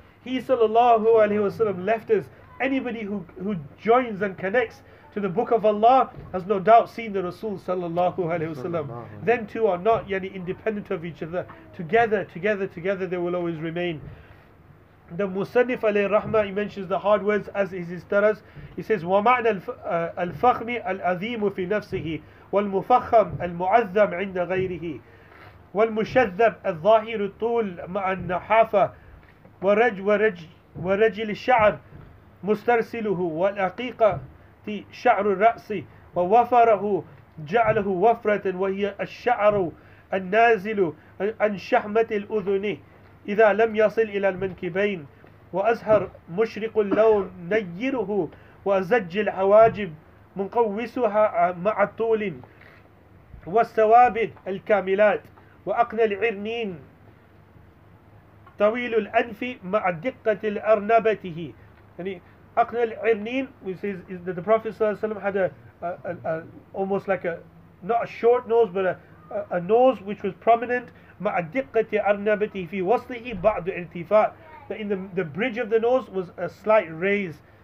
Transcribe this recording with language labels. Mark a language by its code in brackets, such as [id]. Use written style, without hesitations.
[en] He sallallahu alayhi wa sallam left us. Anybody who joins and connects to the Book of Allah has no doubt seen the Rasul sallallahu alayhi wasallam. Them two are not yani independent of each other. Together they will always remain. The Musannif alayhi rahmah, he mentions the hard words as is his taraz. He says, [ar] وَمَعْنَا الْفَخْمِ الْأَذِيمُ فِي نَفْسِهِ وَالْمُفَخَّمْ الْمُعَذَّمْ عِنْدَ غَيْرِهِ والمشذب الظاهر الطول مع النحافة ورجل الشعر مسترسله والعقيقة في شعر الرأس ووفره جعله وفرة وهي الشعر النازل عن شحمة الأذن إذا لم يصل إلى المنكبين وأزهر مشرق اللون نيره وأزج الحواجب منقوسها مع الطول والثوابت الكاملات وأقنى العرنين طويل الأنف مع دقة الأرنبته. يعني أقنى العرنين, [en] which is that the Prophet صلى الله عليه وسلم had almost like not a short nose but a nose which was prominent, [ar] مع دقة أرنبته في وصله بعض ارتفاع, [en] that in the bridge of the nose was a slight raise.